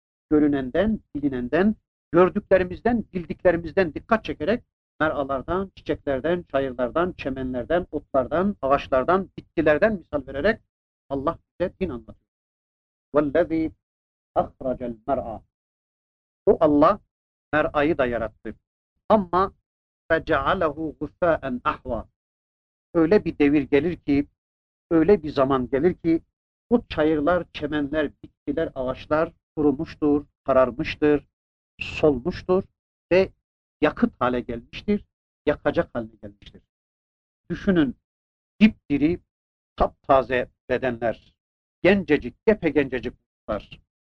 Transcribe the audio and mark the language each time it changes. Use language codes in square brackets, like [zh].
[tr] Görünenden, bilinenden, gördüklerimizden, bildiklerimizden dikkat çekerek meralardan, çiçeklerden, çayırlardan, çemenlerden, otlardan, ağaçlardan, bitkilerden misal vererek Allah bize din anlatıyor. [ar] وَالَّذ۪ي اَخْرَجَ الْمَرْعَى. [tr] O Allah mer'ayı da yarattı. [ar] Ama فَجَعَلَهُ غُفَاءً اَحْوَى. [tr] Öyle bir devir gelir ki, öyle bir zaman gelir ki, o çayırlar, çemenler, bitkiler, ağaçlar kurumuştur, kararmıştır, solmuştur ve yakıt hale gelmiştir, yakacak hale gelmiştir. Düşünün, dipdiri, taptaze bedenler, gencecik, gepegencecik kurtlar.